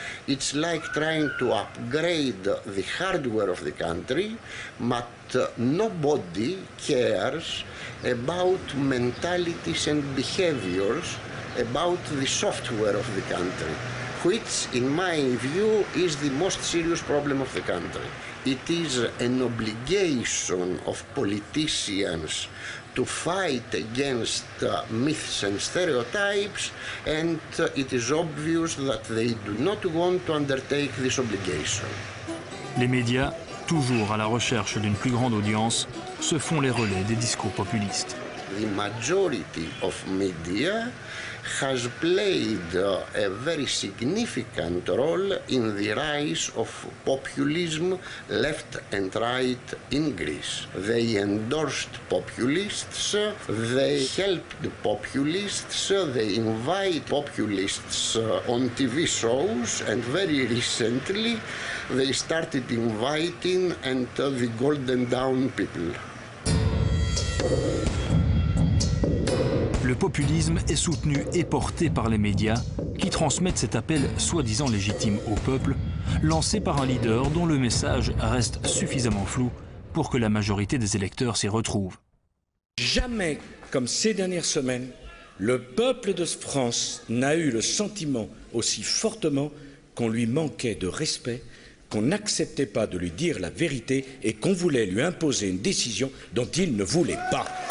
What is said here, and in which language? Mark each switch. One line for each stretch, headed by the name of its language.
English: It's like trying to upgrade the hardware of the country, but nobody cares about mentalities and behaviors about the software of the country, which, in my view, is the most serious problem of the country. It is an obligation of politicians to fight against myths and stereotypes, and it is obvious that they do not want to undertake this obligation.
French: Les médias toujours à la recherche d'une plus grande audience, se font les relais des discours populistes.
English: The majority of media has played a very significant role in the rise of populism left and right in Greece. They endorsed populists, they helped populists, they invite populists on TV shows, and very recently they started inviting and the Golden Dawn people.
French: Le populisme est soutenu et porté par les médias qui transmettent cet appel soi-disant légitime au peuple, lancé par un leader dont le message reste suffisamment flou pour que la majorité des électeurs s'y retrouve. Jamais, comme ces dernières semaines, le peuple de France n'a eu le sentiment aussi fortement qu'on lui manquait de respect, qu'on n'acceptait pas de lui dire la vérité et qu'on voulait lui imposer une décision dont il ne voulait pas.